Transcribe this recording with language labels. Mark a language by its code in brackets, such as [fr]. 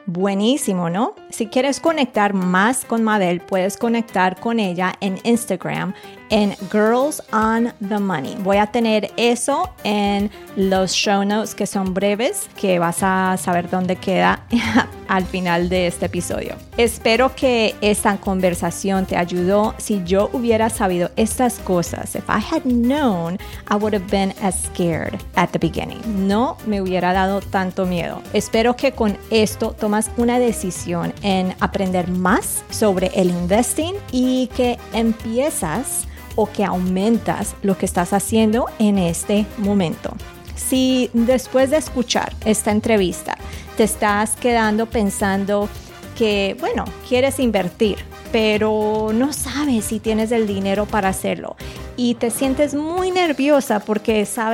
[es] Buenísimo, ¿no? Si quieres conectar más con Mabel, puedes conectar con ella en Instagram en Girls on the Money. Voy a tener eso en los show notes que son breves, que vas a saber dónde queda al final de este episodio. Espero que esta conversación te ayudó. Si yo hubiera sabido estas cosas, [en] if I had known, I would have been as scared at the beginning. [es] No me hubiera dado tanto miedo. Espero que con esto tomas una decisión en aprender más sobre el investing y que empiezas o que aumentas lo que estás haciendo en este momento. Si después de escuchar esta entrevista te estás quedando pensando que, bueno, quieres invertir, pero no sabes si tienes el dinero para hacerlo y te sientes muy nerviosa porque